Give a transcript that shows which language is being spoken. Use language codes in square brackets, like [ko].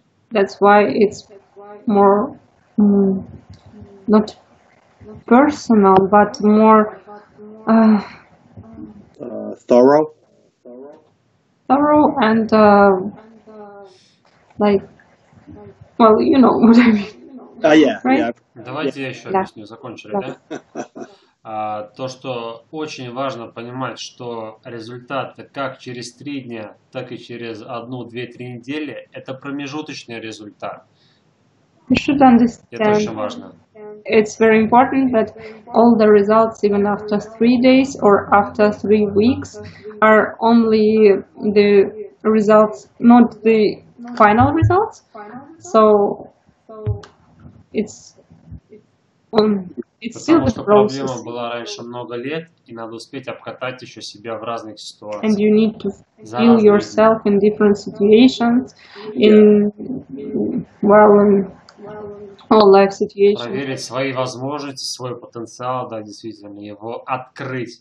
[en] That's why it's more not personal, but more thorough. Thorough and like, well, you know what I mean. [ru] Давайте я еще объясню. Закончили, да? То, что очень важно понимать, что результаты как через 3 дня, так и через 1-2-3 недели – это промежуточный результат. [en] You should understand. [ru] Это очень важно. [en] It's very important that all the results, even after 3 days or after 3 weeks, are only the results, not the final results. So it's it's still the process. [ru] Потому что проблема была раньше много лет, и надо успеть обкатать еще себя в разных ситуациях. [en] And you need to feel yourself in different situations, in well, in all life situations. [ru] Проверить свои возможности, свой потенциал, да, действительно, его открыть.